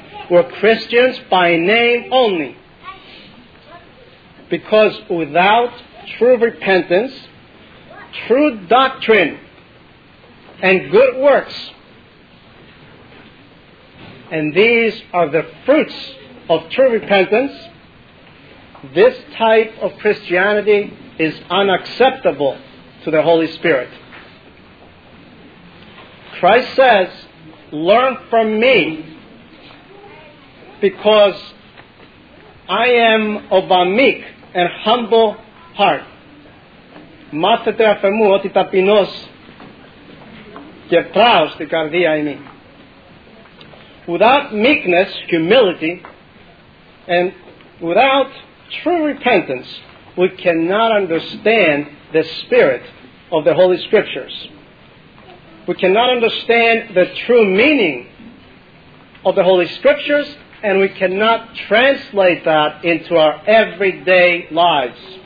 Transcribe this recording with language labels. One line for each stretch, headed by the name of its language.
English: We're Christians by name only. Because without true repentance, true doctrine, and good works, and these are the fruits of true repentance, this type of Christianity is unacceptable to the Holy Spirit. Christ says, learn from me, because I am of a meek and humble heart.
Greek: Μάθετε αφ' εμού ότι ταπεινός και πράος την καρδία είμαι.
English: Without meekness, humility, and without true repentance, we cannot understand the spirit of the Holy Scriptures. We cannot understand the true meaning of the Holy Scriptures, and we cannot translate that into our everyday lives.